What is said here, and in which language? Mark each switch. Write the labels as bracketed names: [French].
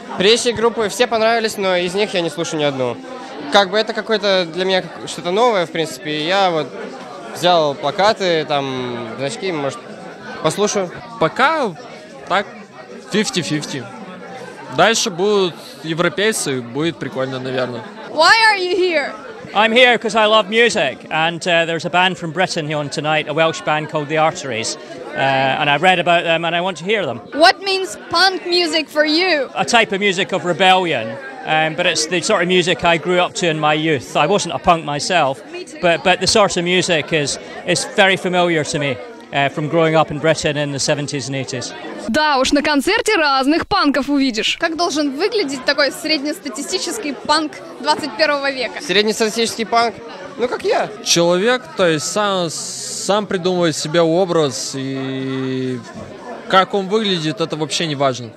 [Russian] Предыдущие группы все понравились, но из них я не слушаю ни одну. Как бы это какое-то для меня что-то новое, в принципе, я вот... Взял плакаты, там, значки, может, послушаю. Пока так, 50-50. Дальше будут европейцы, будет прикольно, наверное. [English] Why are you here? I'm here because I love music. And there's a band from Britain here on tonight, a Welsh band called The Arteries. And I've read about them and I want to hear them. What means punk music for you? A type of music of rebellion. But it's the sort of music I grew up to in my youth. I wasn't a punk myself, but the sort of music is very familiar to me from growing up in Britain in the 70s and 80s. [Russian] Да уж, на концерте разных панков увидишь. Как должен выглядеть такой среднестатистический панк 21 века? Среднестатистический панк? Ну, как я. Человек, то есть сам придумывает себе образ, и как он выглядит, это вообще не важно.